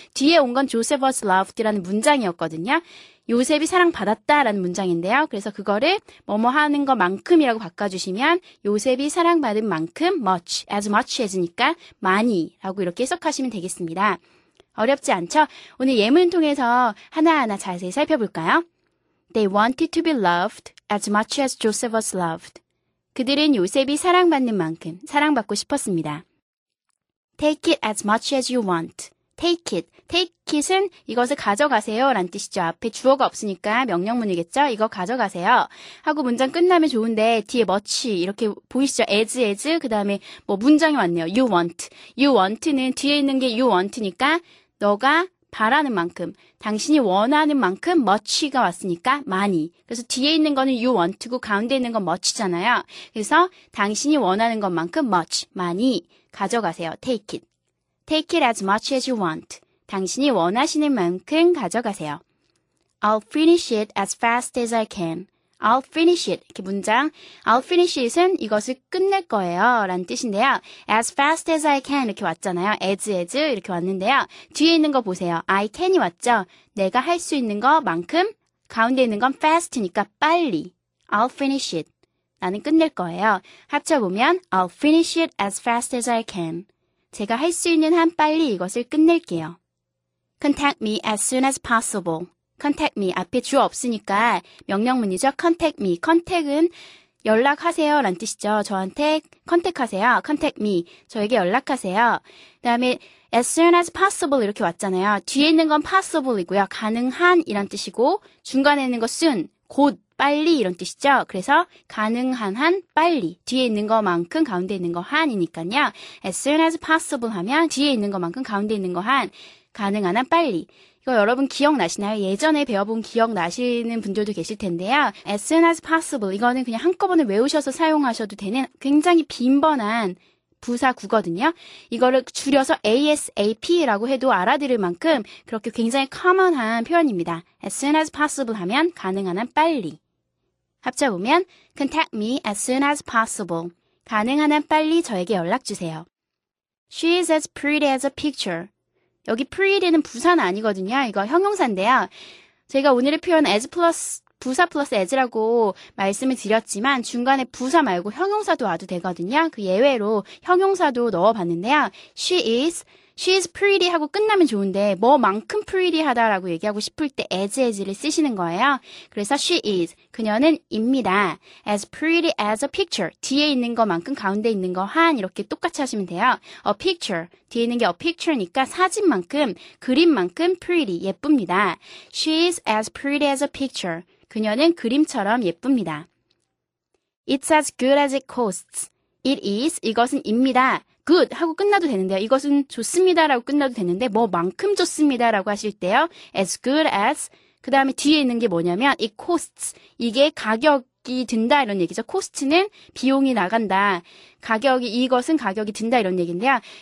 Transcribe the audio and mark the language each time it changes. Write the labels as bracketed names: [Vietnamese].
[Korean] 뒤에 온 건 [English] Joseph was loved [Korean] 라는 문장이었거든요. 요셉이 사랑받았다라는 문장인데요. 그래서 그거를 뭐뭐 하는 것만큼이라고 바꿔주시면 요셉이 사랑받은 만큼 much, [English] as much as [Korean] 니까 많이라고 이렇게 해석하시면 되겠습니다. 어렵지 않죠? 오늘 예문 통해서 하나하나 자세히 살펴볼까요? [English] They wanted to be loved as much as Joseph was loved. [Korean] 그들은 요셉이 사랑받는 만큼 사랑받고 싶었습니다. [English] Take it as much as you want. Take it. Take it [Korean] 은 이것을 가져가세요 라는 뜻이죠. 앞에 주어가 없으니까 명령문이겠죠. 이거 가져가세요 하고 문장 끝나면 좋은데 뒤에 much 이렇게 보이시죠. as 그 다음에 뭐 문장이 왔네요. [English] You want. [Korean] You want는 뒤에 있는 게 [English] you want [Korean] 니까 너가 바라는 만큼 당신이 원하는 만큼 much가 왔으니까 많이. 그래서 뒤에 있는 거는 [English] you want [Korean] 고 가운데 있는 건 much잖아요. 그래서 당신이 원하는 것만큼 much 많이 가져가세요. [English] Take it. Take it as much as you want. [Korean] 당신이 원하시는 만큼 가져가세요. [English] I'll finish it as fast as I can. I'll finish it. [Korean] 이렇게 문장. I'll finish it은 이것을 끝낼 거예요. 라는 뜻인데요. [English] As fast as I can [Korean] 이렇게 왔잖아요. As 이렇게 왔는데요. 뒤에 있는 거 보세요. [English] I can [Korean] 이 왔죠. 내가 할 수 있는 것만큼 가운데 있는 건 fast니까 빨리. [English] I'll finish it. [Korean] 나는 끝낼 거예요. 합쳐보면 [English] I'll finish it as fast as I can. [Korean] 제가 할 수 있는 한 빨리 이것을 끝낼게요. [English] Contact me as soon as possible. Contact me. [Korean] 앞에 주어 없으니까 명령문이죠. [English] Contact me. [Korean] Contact은 연락하세요 라는 뜻이죠. 저한테 컨택하세요. [English] Contact me. [Korean] 저에게 연락하세요. 그 다음에 [English] as soon as possible [Korean] 이렇게 왔잖아요. 뒤에 있는 건 possible이고요. 가능한 이란 뜻이고 중간에 있는 거 soon. 곧. 빨리 이런 뜻이죠. 그래서 가능한 한 빨리 뒤에 있는 것만큼 가운데 있는 것 한이니까요. [English] As soon as possible [Korean] 하면 뒤에 있는 것만큼 가운데 있는 것 한 가능한 한 빨리. 이거 여러분 기억나시나요? 예전에 배워본 기억나시는 분들도 계실 텐데요. [English] As soon as possible [Korean] 이거는 그냥 한꺼번에 외우셔서 사용하셔도 되는 굉장히 빈번한 부사구거든요. 이거를 줄여서 ASAP라고 해도 알아들을 만큼 그렇게 굉장히 커먼한 표현입니다. [English] As soon as possible [Korean] 하면 가능한 한 빨리. 합쳐보면 [English] Contact me as soon as possible. [Korean] 가능한 한 빨리 저에게 연락주세요. [English] She is as pretty as a picture. [Korean] 여기 pretty는 부사는 아니거든요. 이거 형용사인데요. 제가 오늘의 표현 as plus 부사 플러스 as라고 말씀을 드렸지만 중간에 부사 말고 형용사도 와도 되거든요. 그 예외로 형용사도 넣어봤는데요. [English] She is pretty [Korean] 하고 끝나면 좋은데 뭐만큼 pretty 하다라고 얘기하고 싶을 때 as를 쓰시는 거예요. 그래서 [English] she is [Korean] 그녀는 입니다. [English] As pretty as a picture [Korean] 뒤에 있는 것만큼 가운데 있는 거 한 이렇게 똑같이 하시면 돼요. [English] A picture [Korean] 뒤에 있는 게 a picture니까 사진만큼 그림만큼 pretty 예쁩니다. [English] She is as pretty as a picture [Korean] 그녀는 그림처럼 예쁩니다. [English] It's as good as it costs. It is [Korean] 이것은 입니다. Good 하고 끝나도 되는데요. 이것은 좋습니다라고 끝나도 되는데 뭐만큼 좋습니다라고 하실 때요. [English] As good as [Korean] 그 다음에 뒤에 있는 게 뭐냐면 [English] it costs [Korean] 이게 가격이 든다 이런 얘기죠. Cost는 비용이 나간다. 가격이 이것은 가격이 든다 이런 얘기인데요.